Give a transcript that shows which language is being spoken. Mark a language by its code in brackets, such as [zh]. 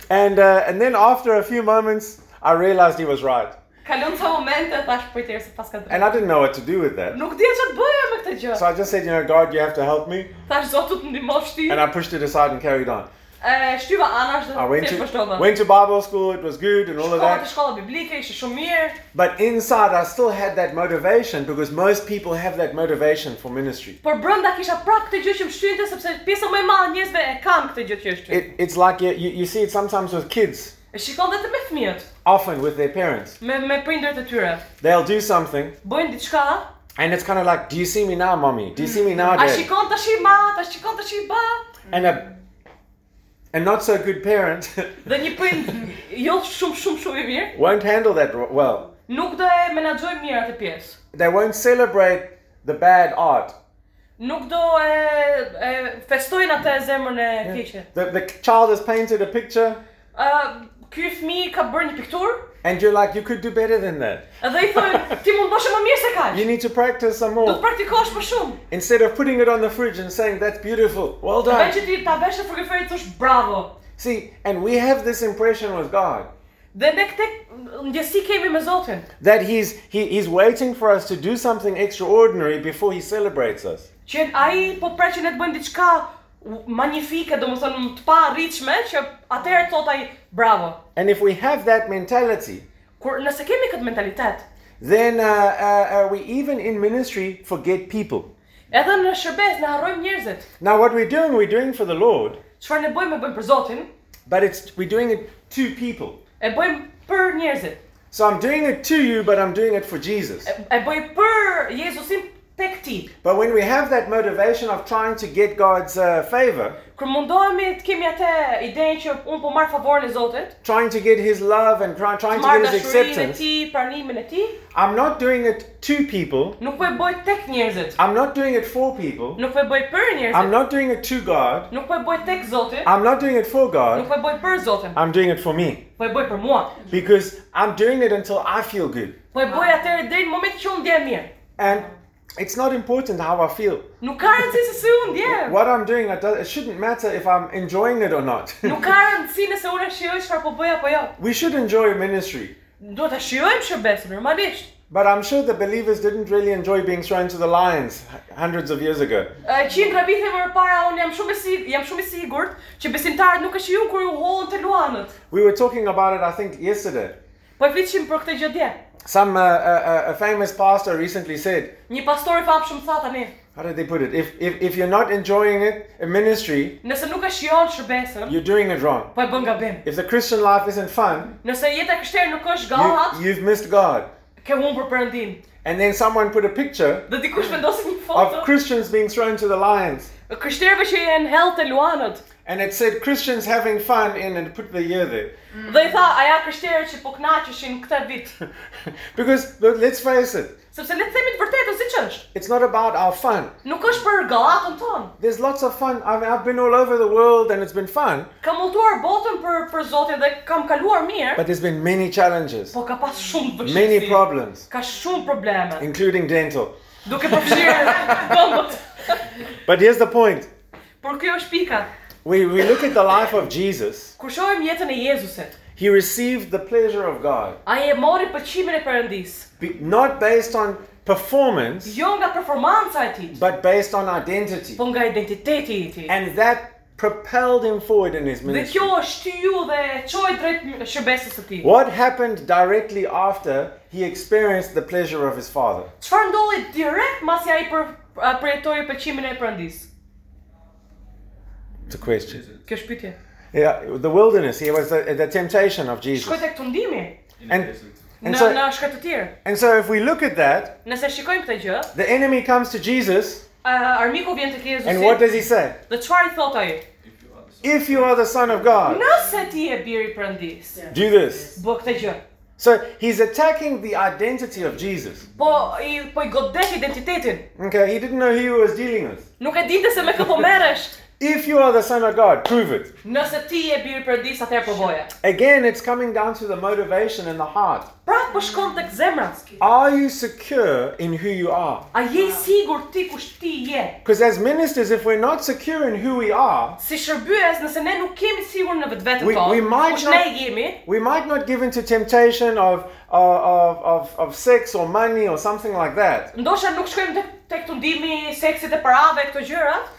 [en] And then after a few moments, I realized he was right. [sq] Kalon ca momente tash po tërë se paska drejt. [en] And I didn't know what to do with that. [sq] Nuk dija ç't bëja me këtë gjë. [en] So I just said, you know, God, you have to help me. [sq] Tash zotu të ndihmosh ti. [en] And I pushed it aside and carried on. [sq] Shtyva anash dhe të përshtova. [en] Went to Bible school, it was good and all of that. [sq] Shkova në shkolla biblike, ishte shumë mirë. [en] But inside I still had that motivation because most people have that motivation for ministry. [sq] Por brenda kisha prap këtë gjë që më shtynte sepse pjesa më e madhe e njerëzve e kanë këtë gjë që shtyn. [en] It's like you see it sometimes with kids. [sq] E shikon vetëm me fëmijët. [en] Often with their parents. [sq] Me prindërit e tyre. [en] They'll do something. [sq] Bojnë diçka. [en] And it's kind of like, do you see me now, mommy? Do you see me now, dad? [sq] A shikon tash i ma, tash shikon tash i ba. [en] And not so good parent. [sq] Dhe një prind jo shumë i mirë. [en] Won't handle that well. [sq] Nuk do e menaxhoj mirë atë pjesë. [en] They won't celebrate the bad art. [sq] Nuk do e festojnë atë zemrën e keqe. [en] The child has painted a picture. [sq] Ky fëmijë ka bërë një pikturë. [en] And you're like, you could do better than that. [sq] Dhe i thonë, ti mund bësh më mirë se kaq. [en] You need to practice some more. [sq] Do të praktikosh më shumë. [en] Instead of putting it on the fridge and saying that's beautiful. Well done. [sq] Veç ti ta vesh në frigorifer thosh bravo. [en] See, and we have this impression with God. [sq] Dhe ne këtë ndjesi kemi me Zotin. [en] That he's waiting for us to do something extraordinary before he celebrates us. [sq] Që ai po pret që ne të bëjmë diçka magnifike, domethënë të pa arritshme, që atëherë thot ai bravo. [en] And if we have that mentality, [sq] kur nëse kemi këtë mentalitet, [en] then we even in ministry forget people. [sq] Edhe në shërbes ne harrojmë njerëzit. [en] Now what we're doing for the Lord. [sq] Çfarë ne bëjmë, bëjmë për Zotin. [en] But it's we're doing it to people. [sq] E bëjmë për njerëzit. [en] So I'm doing it to you, but I'm doing it for Jesus. [sq] E bëj për Jezusin. [en] But when we have that motivation of trying to get God's favor, [sq] kur mundohemi të kemi atë idenë që un po marr favorin e Zotit, [en] trying to get his love and trying to get his acceptance, [sq] të marr dashurinë e tij, pranimin e tij, [en] I'm not doing it to people. [sq] Nuk po e bëj tek njerëzit. [en] I'm not doing it for people. [sq] Nuk po e bëj për njerëzit. [en] I'm not doing it to God. [sq] Nuk po e bëj tek Zotin. [en] I'm not doing it for God. [sq] Nuk po e bëj për Zotin. [en] I'm doing it for me. [sq] Po e bëj për mua. [en] Because I'm doing it until I feel good. [sq] Po e bëj atë deri në momentin që un ndjej mirë. [en] And it's not important how I feel. [sq] Nuk ka rëndësi se si unë ndjem. [en] What I'm doing, it shouldn't matter if I'm enjoying it or not. [sq] Nuk ka rëndësi nëse unë shijoj çfarë po bëj apo jo. [en] We should enjoy ministry. [sq] Duhet ta shijojmë shërbesën normalisht. [en] But I'm sure the believers didn't really enjoy being thrown to the lions hundreds of years ago. [sq] Qindra vite më parë unë jam shumë i sigurt që besimtarët nuk e shijuan kur u hollën te luanët. [en] We were talking about it I think yesterday. [sq] Po flisim për këtë gjë dje. [en] Some a famous pastor recently said. [sq] Një pastor i famshëm tha tani. [en] How did they put it? If you're not enjoying it in ministry. [sq] Nëse nuk e shijon shërbesën. [en] You're doing it wrong. [sq] Po e bën gabim. [en] If the Christian life isn't fun. [sq] Nëse jeta krishtere nuk është gëllat. [en] You've missed God. [sq] Ke humbur Perëndin. [en] And then someone put a picture. [sq] Dhe dikush vendosi një foto. [en] Of Christians being thrown to the lions. [sq] Krishterëve që janë hell te luanët. [en] And it said Christians having fun in and put the year there. [sq] Dhe I tha, a ja krishterët që po kënaqeshin këtë vit. [en] Because but let's face it. [sq] Sepse le të themi të vërtetë siç është. [en] It's not about our fun. [sq] Nuk është për gallatën tonë. [en] There's lots of fun. I've been all over the world and it's been fun. [sq] Kam udhëtuar botën për Zotin dhe kam kaluar mirë. [en] But there's been many challenges. [sq] Po ka pas shumë vështirësi. [en] Many problems. [sq] Ka shumë probleme. [en] Including dental. [sq] Duke përfshirë gomët. [en] But here's the point. [sq] Por kjo është pika. [en] We look at the life of Jesus. [sq] Kur shohim jetën e Jezusit. [en] He received the pleasure of God. [sq] Ai e mori pëlqimin e Perëndisë. [en] Not based on performance. [sq] Jo nga performanca e tij. [en] But based on identity. [sq] Po nga identiteti i tij. [en] And that propelled him forward in his ministry. [sq] Dhe kjo shtyu dhe çoi drejt shërbesës së tij. [en] What happened directly after he experienced the pleasure of his Father? [sq] Çfarë ndodhi direkt pasi ai përjetoi pëlqimin e Perëndisë? [en] The question. [sq] Kjo është pyetje. [en] Yeah, the wilderness. It was the temptation of Jesus. [sq] Shkoj tek tundimi. [en] And [sq] so, në shkretë të tjerë. [en] And so if we look at that, [sq] nëse shikojmë këtë gjë, [en] the enemy comes to Jesus. [sq] Armiku vjen tek Jezusi. [en] And what does he say? [sq] The çfarë i thot ai? [en] If you are the son of God. [sq] Nëse ti je biri I Perëndisë. [en] Do this. [sq] Bëj këtë gjë. [en] So he's attacking the identity of Jesus. [sq] Po I godet identitetin. [en] Okay, he didn't know who he was dealing with. [sq] Nuk e dinte se me kë po merresh. [en] If you are the son of God, prove it. [sq] Nëse ti je biri I Perëndisë, atëherë provoje. [en] Again, it's coming down to the motivation and the heart. [sq] Prapë po shkon tek zemra. [en] Are you secure in who you are? [sq] A je I sigurt ti kush ti je? [en] Because as ministers, if we're not secure in who we are, [sq] si shërbyes, nëse ne nuk kemi sigurinë në vetveten tonë. [en] We might not give in to temptation of sex or money or something like that. [sq] Ndoshta nuk shkojmë tek tundimi I seksit e parave këto gjëra.